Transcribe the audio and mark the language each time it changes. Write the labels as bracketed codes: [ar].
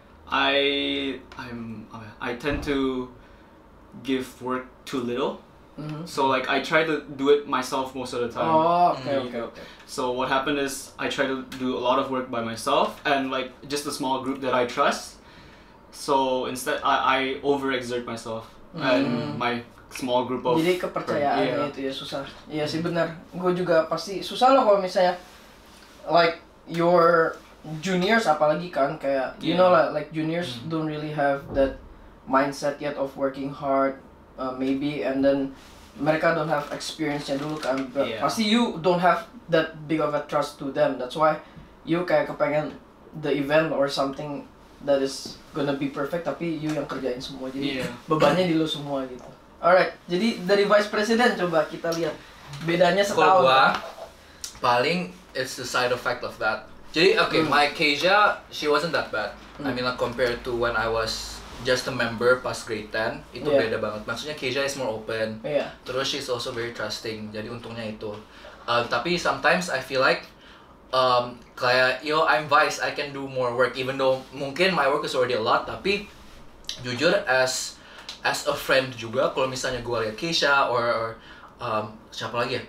[en] I tend to give work too little. Mm-hmm. So like I try to do it myself most of the time. Oh, okay. So what happened is I try to do a lot of work by myself and like just a small group that I trust. So instead I overexert myself and my small group of. [id] Jadi kepercayaannya yeah. itu ya susah. Iya sih benar. Gue juga pasti susah loh kalau misalnya [en] like your juniors [id] apalagi kan kayak [en] you know [id] lah [en] like juniors don't really have that mindset yet of working hard. Maybe and then mereka don't have experience-nya [id] dulu kan pasti [en] you don't have that big of a trust to them, that's why you [id] kayak kepengen [en] the event or something that is gonna be perfect tapi you [id] yang kerjain semua jadi bebannya di lu semua gitu. Alright, jadi dari vice president coba kita lihat bedanya setahun. Kalau gua paling [en] it's the side effect of that. Jadi okay, my Kasia she wasn't that bad. I mean like compared to when I was just a member pas grade 10 [id] itu beda banget. [en] Maksudnya Kasia is more open. Yeah. Terus she's also very trusting. [id] Jadi untungnya itu. Tapi [en] sometimes I feel like kayak yo I'm vice, I can do more work even though mungkin my work is already a lot, [id] tapi jujur [en] as a friend [id] juga kalau misalnya gua liat [en] Kasia or [id] siapa lagi ya?